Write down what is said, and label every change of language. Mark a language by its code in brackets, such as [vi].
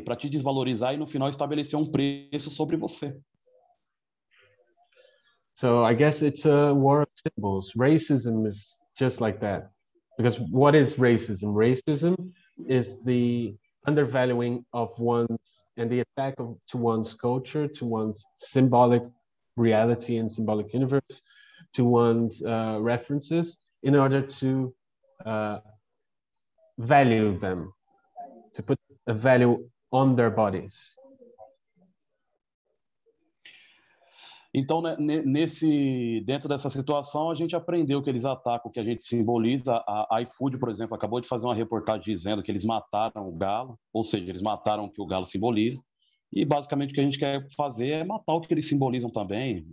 [pt] Para te desvalorizar e no final estabelecer um preço sobre você. [en] So I guess it's a war of symbols. Racism is just like that. Because what is racism? Racism is the undervaluing of one's and the attack to one's culture, to one's symbolic reality and symbolic universe, to one's references in order to value them, to put a value on their bodies. [pt] Então, dentro dessa situação, a gente aprendeu que eles atacam o que a gente simboliza. A iFood, por exemplo, acabou de fazer uma reportagem dizendo que eles mataram o galo, ou seja, eles mataram o que o galo simboliza. E basicamente o que a gente quer fazer é matar o que eles simbolizam também.